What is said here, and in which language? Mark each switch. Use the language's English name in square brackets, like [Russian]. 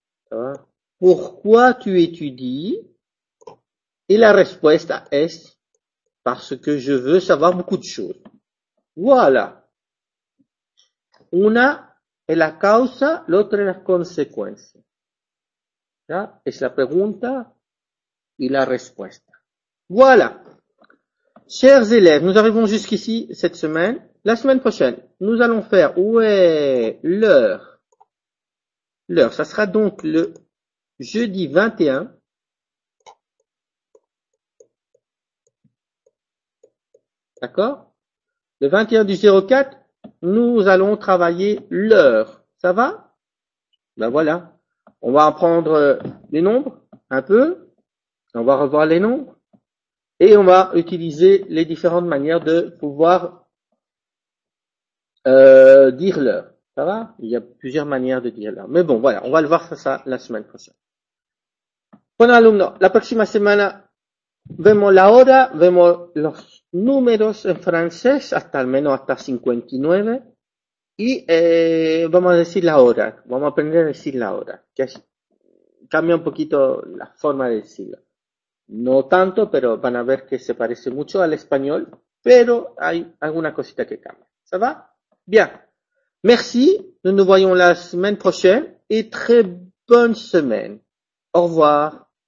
[Spanish] ¿No? ¿Por qué tú [French] étudies? [Spanish] Y la respuesta es [French] parce que je veux savoir beaucoup de choses. Voilà. [Spanish] Una es la causa, la otra es la consecuencia. ¿Ya? Es la pregunta y la respuesta. [French] Voilà. Chers élèves, nous arrivons jusqu'ici cette semaine. La semaine prochaine, nous allons faire, l'heure. L'heure, ça sera donc le jeudi 21. D'accord? Le 21 du 04, nous allons travailler l'heure. Ça va? Ben voilà. On va apprendre les nombres un peu. On va revoir les nombres. Et on va utiliser les différentes manières de pouvoir dire l'heure. Ça va? Il y a plusieurs manières de dire l'heure. Mais bon, voilà. On va le voir ça la semaine prochaine. [Spanish] Bon alumno, [French] la prochaine semaine, [Spanish] vemos la hora, vemos los números en francés, hasta al menos hasta 59. Y vamos a decir la hora, vamos a aprender a decir la hora, que es, cambia un poquito la forma de decirlo. No tanto, pero van a ver que se parece mucho al español, pero hay alguna cosita que cambia. [French] ¿Ça va? Bien. Merci, nous nous voyons la semaine prochaine, et très bonne semaine. Au revoir.